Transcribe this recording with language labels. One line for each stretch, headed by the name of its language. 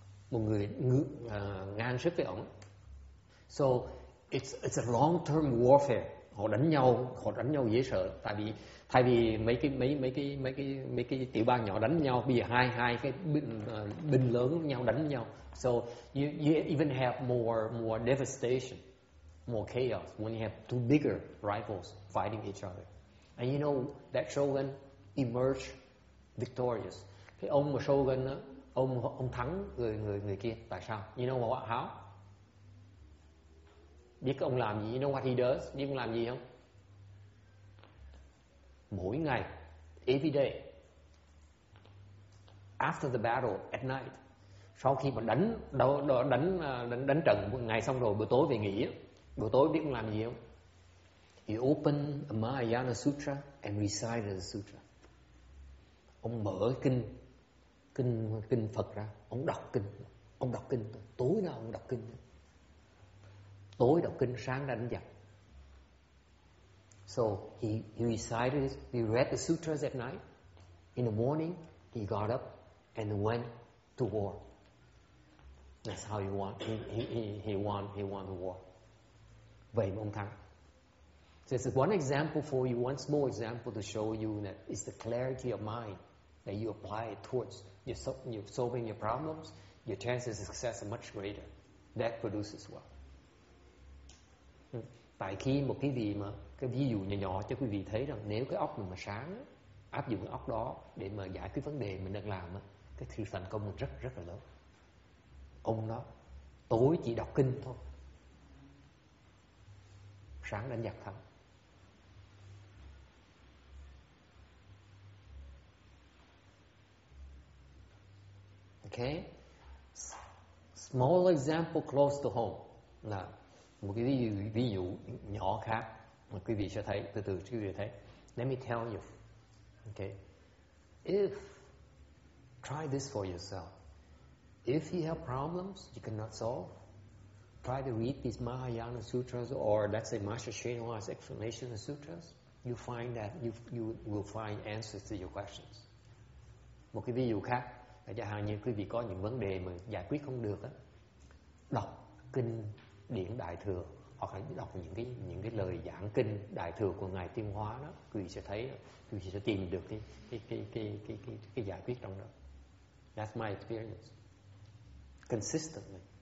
Vietnamese: Một người ngang sức với ổng.
English: So it's a long term warfare.
Vietnamese: Họ đánh nhau dễ sợ, tại vì thay vì mấy cái tiểu bang nhỏ đánh nhau, bây giờ hai cái binh lớn nhau đánh nhau.
English: So you even have more devastation, more chaos when you have two bigger rivals fighting each other. And you know that shogun emerged victorious.
Vietnamese: Cái ông mà shogun đó, ông thắng người kia. Tại sao?
English: You know what? How?
Vietnamese: Biết ông làm gì?
English: You know what he does?
Vietnamese: Biết ông làm gì không? Mỗi ngày,
English: every day, after the battle, at night,
Vietnamese: sau khi mà đánh trận một ngày xong rồi, buổi tối về nghỉ, buổi tối biết ông làm gì không?
English: He opened a Mahayana Sutra and recited the Sutra.
Vietnamese: Ông mở kinh Phật ra, ông đọc kinh tối nào ông đọc kinh, tối đọc kinh, sáng đánh giặc.
English: So he recited, he read the sutras at night. In the morning he got up and went to war. That's how he won the war.
Vietnamese: Vậy mà ông thắng.
English: So this is one example for you, one small example to show you that it's the clarity of mind that you apply it towards you're solving your problems, your chances of success are much greater. That produces wealth.
Vietnamese: Tại khi một cái gì mà cái ví dụ nhỏ cho quý vị thấy rằng nếu cái óc mình mà sáng, áp dụng cái óc đó để mà giải quyết vấn đề mình đang làm, cái sự thành công rất rất là lớn. Ông đó tối chỉ đọc kinh thôi, sáng đến giặc thắng.
English: Okay. Small example close to home.
Vietnamese: Là một cái ví dụ nhỏ khác mà quý vị sẽ thấy, từ từ quý vị thấy.
English: Let me tell you. Okay. If try this for yourself. If you have problems you cannot solve, try to read these Mahayana sutras or let's say Master Shenhua's explanation of sutras. You find that you will find answers to your questions.
Vietnamese: Một cái ví dụ khác, chẳng hạn như quý vị có những vấn đề mà giải quyết không được á, đọc kinh điển Đại thừa hoặc là đọc những cái lời giảng kinh Đại thừa của ngài Tiên Hóa đó, quý vị sẽ tìm được cái giải quyết trong đó.
English: That's my experience. Consistently.